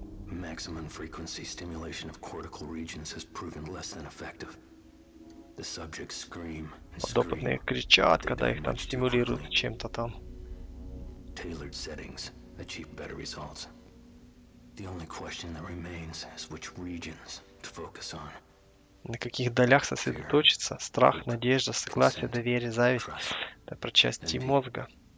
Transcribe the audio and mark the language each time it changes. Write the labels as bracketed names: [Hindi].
[English] Maximum frequency stimulation of cortical regions has proven less than effective. The subjects scream. [Russian] Подопытные кричат, когда их там стимулируют чем-то там. [English] Tailored settings achieve better results. The only question that remains is which regions to focus on. [Russian] На каких долях сосредоточиться? Страх, надежда, согласие, доверие, зависть. Это про части мозга.